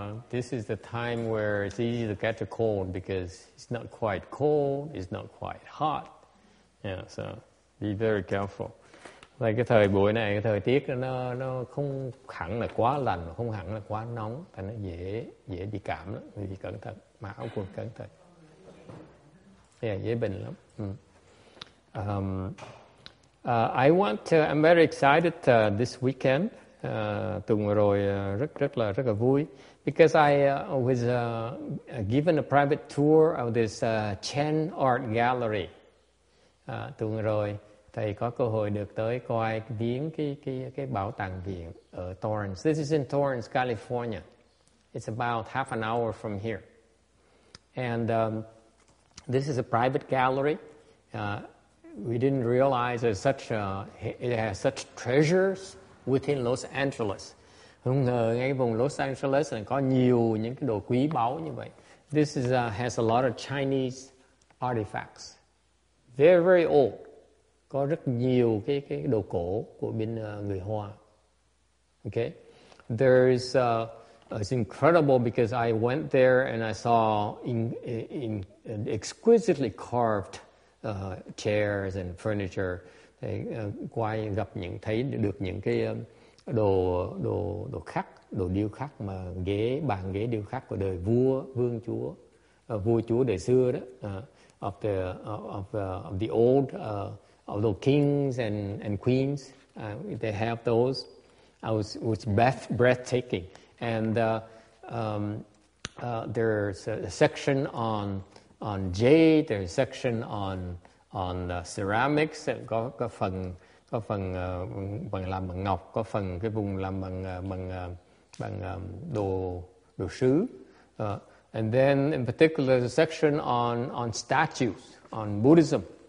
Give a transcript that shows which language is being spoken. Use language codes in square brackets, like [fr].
[en] This is the time where it's easy to catch a cold because it's not quite cold, it's not quite hot. Yeah, so be very careful. [vi] Vậy cái thời buổi này, cái thời tiết nó không hẳn là quá lành, không hẳn là quá nóng, thì nó dễ bị cảm lắm, vì cẩn thận, mặc áo quần cẩn thận. [en] Yeah, [vi] dễ bệnh lắm. [en] I'm very excited this weekend. [vi] Tuần vừa rồi rất là vui, [en] because I was given a private tour of this Chen Art Gallery. [vi] Tuần vừa rồi thầy có cơ hội được tới coi viếng cái bảo tàng viện ở Torrance. [en] This is in Torrance, California. It's about half an hour from here. And this is a private gallery. We didn't realize it has such treasures within Los Angeles. [vi] Không ngờ ngay vùng Los Angeles này có nhiều những cái đồ quý báu như vậy. [en] This is has a lot of Chinese artifacts. Very, very old. [vi] Có rất nhiều cái đồ cổ của bên người Hoa. [en] Okay. There is it's incredible because I went there and I saw in exquisitely carved chairs and furniture. [vi] Thấy quay gặp những thấy được những cái đồ khắc, đồ điêu khắc mà ghế, bàn ghế điêu khắc của đời vua, vương chúa, vua chúa đời xưa đó, [en] of the old kings and queens, they have those. It was breathtaking. And there's a section on jade. There's a section on ceramics. [vi] Có phần bằng làm bằng ngọc. Có phần cái vùng làm bằng đồ sứ. [en] And then in particular, there's a section on statues, on Buddhism.